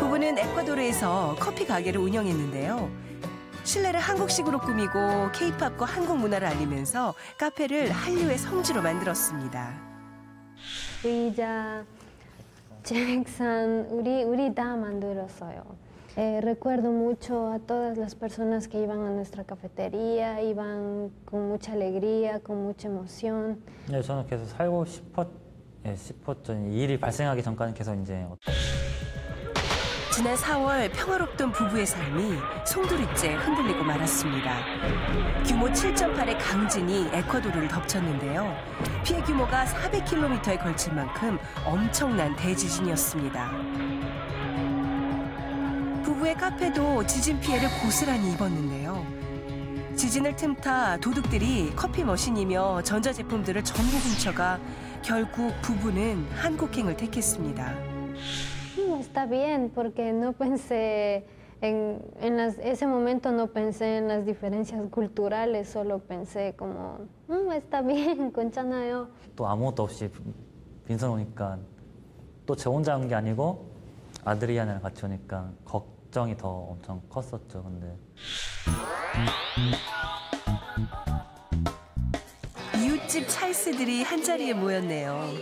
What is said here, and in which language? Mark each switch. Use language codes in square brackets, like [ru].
[ko] 부부는 에콰도르에서 커피 가게를 운영했는데요. 실내를 한국식으로 꾸미고 케이팝과 한국 문화를 알리면서 카페를 한류의 성지로 만들었습니다. 의자, 책상, 우리 다 만들었어요. [es] Recuerdo mucho a todas las personas que iban a nuestra cafetería, iban con mucha alegría, con mucha emoción. [ko] 네, 저는 계속 살고 싶었던 일이 발생하기 전까지 계속 이제 지난 4월 평화롭던 부부의 삶이 송두리째 흔들리고 말았습니다. 규모 7.8의 강진이 에콰도르를 덮쳤는데요. 피해 규모가 400km에 걸친 만큼 엄청난 대지진이었습니다. 부부의 카페도 지진 피해를 고스란히 입었는데요. 지진을 틈타 도둑들이 커피 머신이며 전자제품들을 전부 훔쳐가 결국 부부는 한국행을 택했습니다. [es] Está bien, porque no pensé en las, ese momento no pensé en las diferencias culturales, solo pensé como, está bien, [ko] 괜찮아요. 또 아무것도 없이 빈손 오니까 또 저 혼자 온 게 아니고 아드리아나랑 같이 오니까 걱정이 더 엄청 컸었죠, 근데. 이웃집 찰스들이 한 자리에 모였네요.